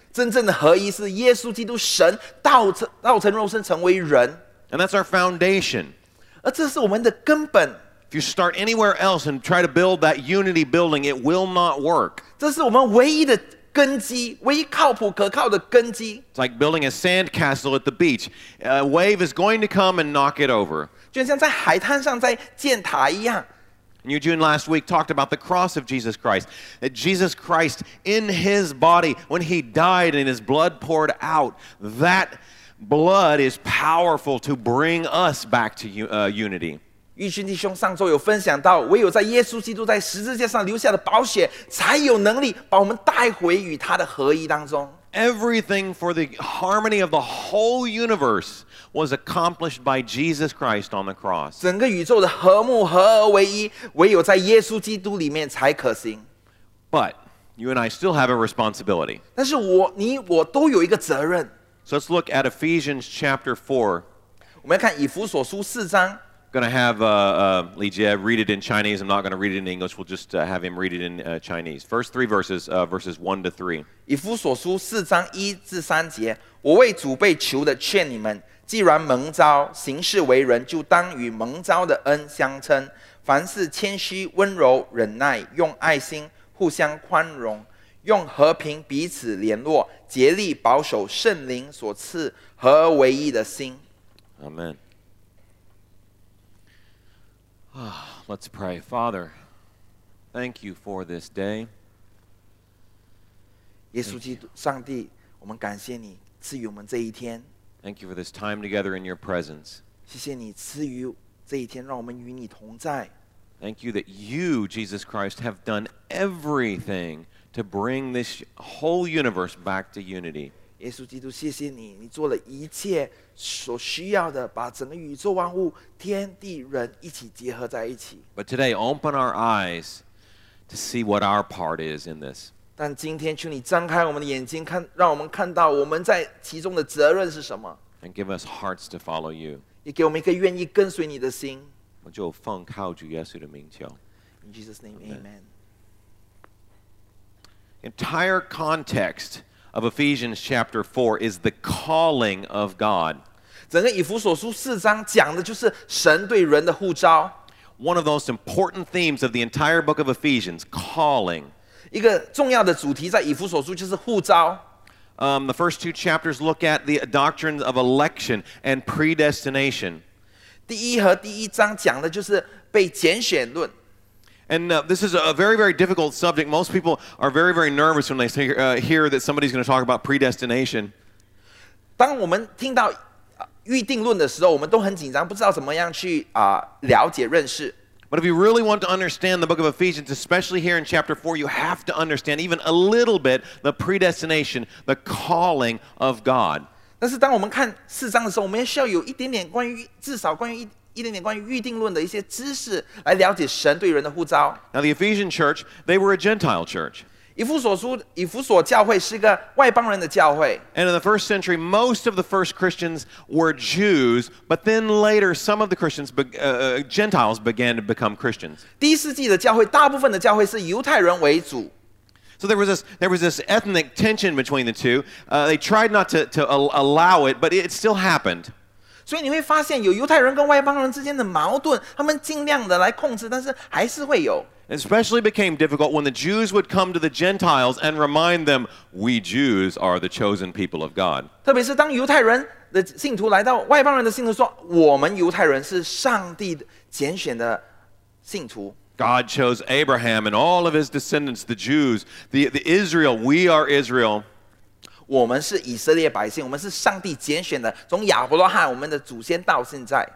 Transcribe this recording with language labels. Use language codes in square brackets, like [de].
[zh] 真正的合一是耶稣基督神道成肉身成为人。 [en] And that's our foundation. [zh] 而这是我们的根本。 [en] If you start anywhere else and try to build that unity building, it will not work. [zh] 这是我们唯一的根基，唯一靠谱可靠的根基。 [en] It's like building a sandcastle at the beach. A wave is going to come and knock it over. [zh] 就像在海滩上在建塔一样。 [en] And Eugene last week talked about the cross of Jesus Christ. That Jesus Christ in his body, when he died and his blood poured out, that blood is powerful to bring us back to unity. [zh] 玉勋弟兄上周有分享到，唯有在耶稣基督在十字架上留下的宝血，才有能力把我们带回与他的合一当中。 [en] Everything for the harmony of the whole universe was accomplished by Jesus Christ on the cross. [zh] 整个宇宙的和睦合而为一，唯有在耶稣基督里面才可行。 [en] But you and I still have a responsibility. [zh] 但是你我都有一个责任。 [en] So let's look at Ephesians chapter 4. [zh] 我们要看以弗所书四章。 [en] Going to have Li Jie read it in Chinese. I'm not going to read it in English. We'll just have him read it in Chinese. First three verses, verses 1-3. [zh] 以弗所书四章一至三节，我为主被囚的劝你们，既然蒙召，行事为人，就当与蒙召的恩相称。凡事谦虚、温柔、忍耐，用爱心互相宽容，用和平彼此联络，竭力保守圣灵所赐合而为一的心。 [en] Amen. Let's pray. Father, thank you for this day. [zh] 耶稣基督，上帝，我们感谢你赐予我们这一天。 [en] Thank you for this time together in your presence. [zh] 谢谢你赐予这一天，让我们与你同在。 [en] Thank you that you, Jesus Christ, have done everything to bring this whole universe back to unity. [zh] 耶稣基督，谢谢你，你做了一切。所需要的，把整个宇宙万物、天地人一起结合在一起。 [en] But today, open our eyes to see what our part is in this. [zh] 但今天求你张开我们的眼睛看，让我们看到我们在其中的责任是什么。 [en] And give us hearts to follow you. [zh] 也给我们一个愿意跟随你的心。我就奉靠主耶稣的名求。 [en] In Jesus' name, Amen. Amen. Entire context of Ephesians chapter 4 is the calling of God. [zh] 整个以弗所书四章讲的就是神对人的呼召。 [en] One of the most important themes of the entire book of Ephesians, calling. [zh] 一个重要的主题在以弗所书就是呼召。 [en] The first two chapters look at the doctrine of election and predestination. [zh] 第一和第一章讲的就是被拣选论。 [en] And this is a very, very difficult subject. Most people are very, very nervous when they hear that somebody's going to talk about predestination. [zh] 当我们听到预定论的时候，我们都很紧张，不知道怎么样去了解认识。 [en] But if you really want to understand the book of Ephesians, especially here in chapter 4, you have to understand even a little bit the predestination, the calling of God. [zh] 但是当我们看四章的时候，我们需要有一点点关于，至少关于一点点关于预定论的一些知识，来了解神对人的呼召。 [en] Now the Ephesian church, they were a Gentile church. [zh] 以弗所教会是一个外邦人的教会。 [en] And in the first century, most of the first Christians were Jews, but then later some of the Christians, Gentiles began to become Christians. [zh] 第一世纪的教会，大部分的教会是犹太人为主。 [en] So there was this ethnic tension between the two. They tried not to allow it, but it still happened. [zh] 所以你会发现有犹太人跟外邦人之间的矛盾，他们尽量的来控制，但是还是会有。 [en] Especially became difficult when the Jews would come to the Gentiles and remind them, "We Jews are the chosen people of God." [zh] 特别是当犹太人的信徒来到外邦人的信徒说，我们犹太人是上帝拣选的信徒。 [en] God chose Abraham and all of his descendants, the Jews, the Israel. We are Israel. [zh] 我们是以色列百姓，我们是上帝拣选的，从亚伯拉罕我们的祖先到现在。